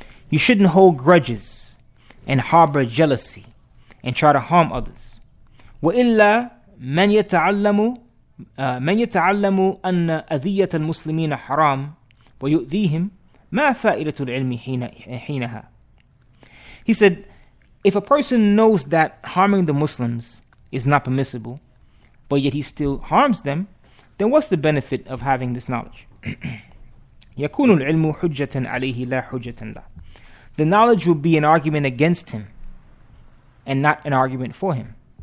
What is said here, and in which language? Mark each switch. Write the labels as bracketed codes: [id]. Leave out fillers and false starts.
[en] You shouldn't hold grudges and harbor jealousy and try to harm others. [ar] وَإِلَّا مَنْ يَتَعَلَّمُ من يتعلم أن أذية المسلمين حرام ويؤذيهم ما فائدة العلم حينها. [en] He said, if a person knows that harming the Muslims is not permissible, but yet he still harms them, then what's the benefit of having this knowledge? [ar] يكون العلم حجة عليه لا حجة له. [en] The knowledge will be an argument against him and not an argument for him.